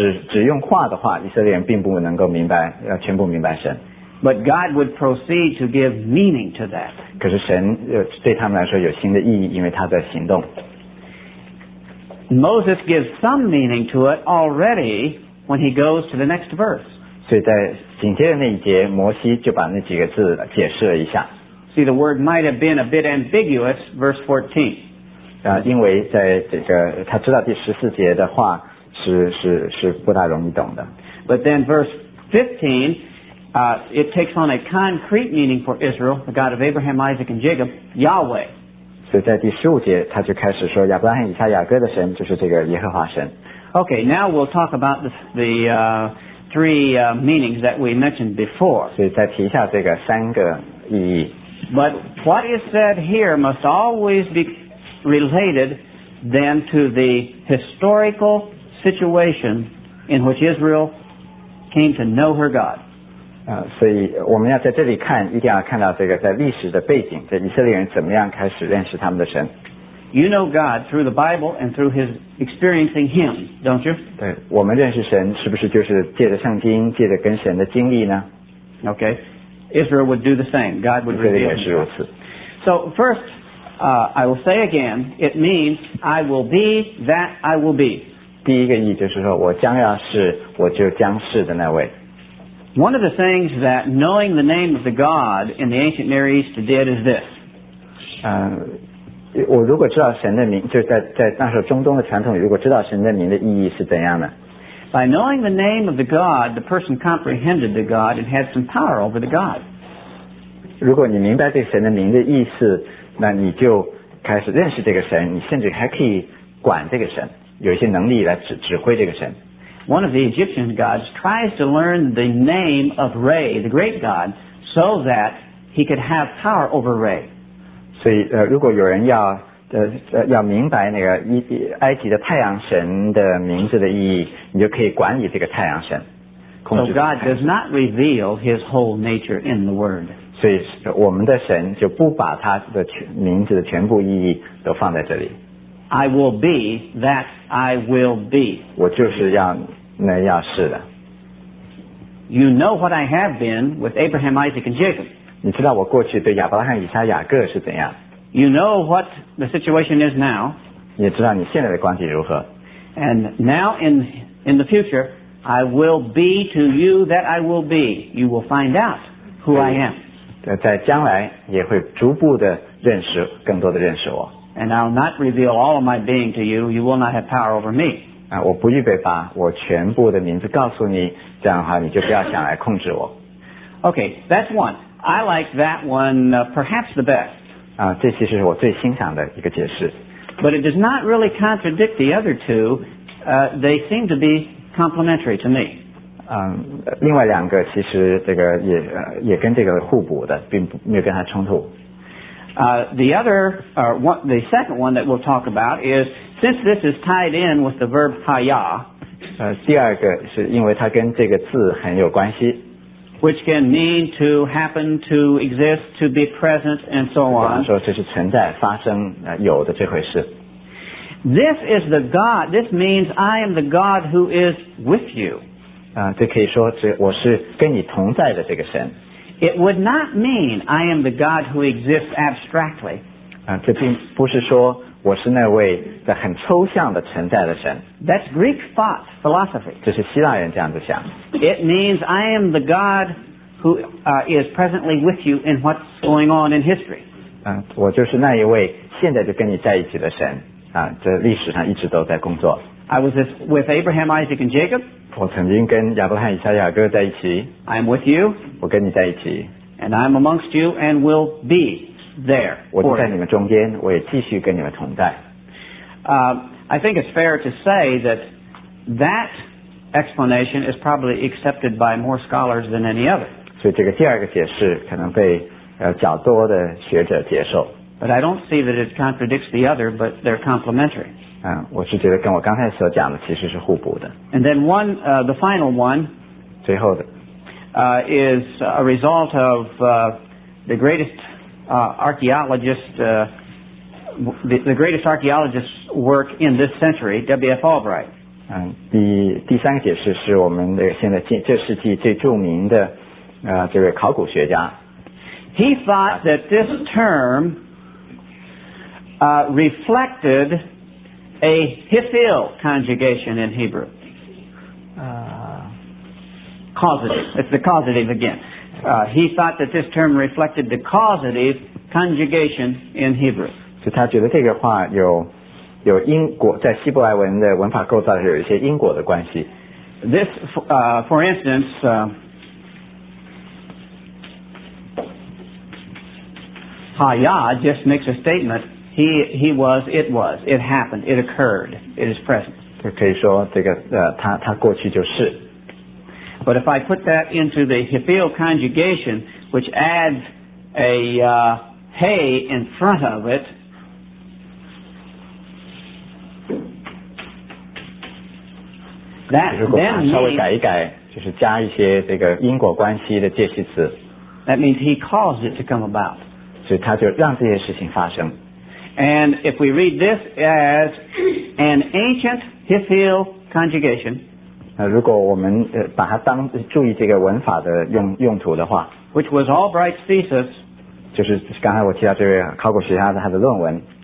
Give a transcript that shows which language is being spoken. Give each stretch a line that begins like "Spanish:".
Chinese: 只用话的话，以色列人并不能够明白，全部明白神。
English: But God would proceed to give meaning to that.
Chinese: 可是神对他们来说有新的意义，因为他在行动。
English: Moses gives some meaning to it already when he goes to the next verse.
Chinese: 所以在紧接着那一节，摩西就把那几个字解释了一下。
English: See, the word might have been a bit ambiguous, verse 14.
Chinese: 因为在这个他知道第十四节的话是不大容易懂的。
English: But then verse 15, it takes on a concrete meaning for Israel, the God of Abraham, Isaac, and Jacob, Yahweh.
Chinese: 所以在第十五节他就开始说亚伯拉罕以撒雅各的神就是这个耶和华神。
English: Okay, now we'll talk about the three meanings that we mentioned before.
Chinese: 所以再提一下这个三个意义。
English: But what is said here must always be related then to the historical situation in which Israel came to know her God.
Chinese: 所以我们要在这里看，一定要看到这个在历史的背景，这以色列人怎么样开始认识他们的神。
English: You know God through the Bible and through His experiencing Him, don't you?
Chinese: 对，我们认识神是不是就是借着圣经，借着跟神的经历呢？
English: Okay, Israel would do the same. God would reveal Himself.
Chinese: 以色列也是如此。
English: So first, I will say again, it means I will be that I will be.
Chinese: 第一个意就是说我将要是我就将是的那位。
English: One of the things that knowing the name of the God in the ancient Near East did is this.
Chinese: 我如果知道神的名，就是在那时候中东的传统里，如果知道神的名的意义是怎样的？
English: By knowing the name of the God, the person comprehended the God and had some power over the God.
Chinese: 如果你明白这神的名的意思，那你就开始认识这个神，你甚至还可以管这个神，有一些能力来指挥这个神。
English: One of the Egyptian gods tries to learn the name of Re, the great god, so that he could have power over Re.
Chinese: 所以如果有人要明白那个埃及的太阳神的名字的意义，你就可以管理这个太阳神。
English: So God does not reveal his whole nature in the word.
Chinese: 所以我们的神就不把他的名字的全部意义都放在这里。
English: I will be that I will be.
Chinese: 我就是要那要是的。
English: You know what I have been with Abraham, Isaac, and Jacob.
Chinese: 你知道我过去对亚伯拉罕、以撒、雅各是怎样。
English: You know what the situation is now.
Chinese: 你也知道你现在的关系如何。
English: And now in the future, I will be to you that I will be. You will find out who I am.
Chinese: 在将来也会逐步的认识，更多的认识我。
English: And I'll not reveal all of my being to you. You will not have power over me.
Chinese: 我不预备把我全部的名字告诉你，这样的话你就不要想来控制我。
English: Okay, that's one. I like that one, perhaps the best.
Chinese: 这其实是我最欣赏的一个解释。
English: But it does not really contradict the other two. They seem to be complementary to me.
Chinese: 另外两个其实这个也跟这个互补的，并没有跟它冲突。
English: The second one that we'll talk about is, since this is tied in with the verb haya,
Chinese: 第二个是因为它跟这个字很有关系。
English: Which can mean to happen, to exist, to be present, and so on.
Chinese: 说这是存在、发生、有的这回事。
English: This is the God, this means I am the God who is with you.
Chinese: 这可以说我是跟你同在的这个神。
English: It would not mean I am the God who exists abstractly.
Chinese: 这并不是说我是那位在很抽象的存在的神。
English: That's Greek thought, philosophy.
Chinese: 这是希腊人这样子想。
English: It means I am the God who is presently with you in what's going on in history.
Chinese: 我就是那一位现在就跟你在一起的神，这历史上一直都在工作。
English: I was with Abraham, Isaac, and Jacob.
Chinese: 我曾经跟亚伯拉罕、以撒、雅各在一起。
English: I'm with you.
Chinese: 我跟你在一起。
English: And I'm amongst you and will be there.
Chinese: 我就在你们中间，我也继续跟你们同在。
English: I think it's fair to say that that explanation is probably accepted by more scholars than any other.
Chinese: 所以这个第二个解释可能被较多的学者接受。
English: But I don't see that it contradicts the other, but they're complementary.
Chinese: 我是觉得跟我刚才所讲的其实是互补的。
English: And then one, the final one,
Chinese: 最后的
English: is a result of the greatest archaeologist, the greatest archaeologist's work in this century, W.F. Albright.
Chinese: 第三个解释是我们现在这世纪最著名的这位考古学家。
English: He thought that this term reflected a hifil conjugation in Hebrew. Causative. It's the causative again. He thought that this term reflected the causative conjugation in Hebrew.
Chinese: 所以他觉得这个话有因果，在希伯来文的文法构造上有一些因果的关系。
English: This, for instance, Haya just makes a statement. He was, it was, it happened, it occurred, it is present.
Chinese: 可以说这个他过去就是。
English: But if I put that into the hifil conjugation, which adds a hey in front of it, that then means...
Chinese: 稍微改一改就是加一些这个因果关系的介系词。
English: That means he caused it to come about.
Chinese: 所以他就让这些事情发生。
English: And if we read this as an ancient Hithil conjugation,
Chinese: 如果我们把它当注意这个文法的 用途的话
English: ，which was Albright's thesis，
Chinese: 就是刚才我提到这位考古学家的他的论文。